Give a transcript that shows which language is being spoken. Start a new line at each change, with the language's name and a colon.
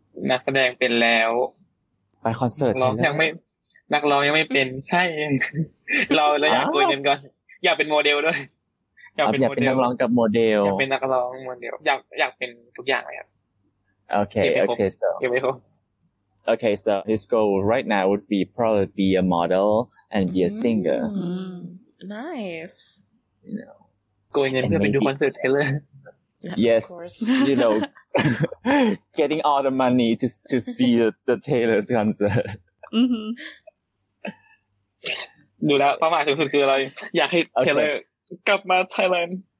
Thai: นักแสดงเป็นแล้ว ไปคอนเสิร์ต นักร้องยังไม่เป็นใช่รอแล้วอยากกวนเงินก่อนอยากเป็นโมเดลด้วย อยากเป็นนักร้องกับโมเดล อยากเป็นนักร้องโมเดลอยากเป็นทุกอย่างเลยครับ โอเคโอเคสักไม่ครบ
English: Okay, so his goal right now would be probably be a model and be a singer. Nice. Going in to do concert Taylor. Yes, you know, getting all the money to see the Taylor's concert.
Thai: ดูแล้วเป้าหมายสูงสุดคืออะไรอยากให้ Taylor กลับมา Thailand.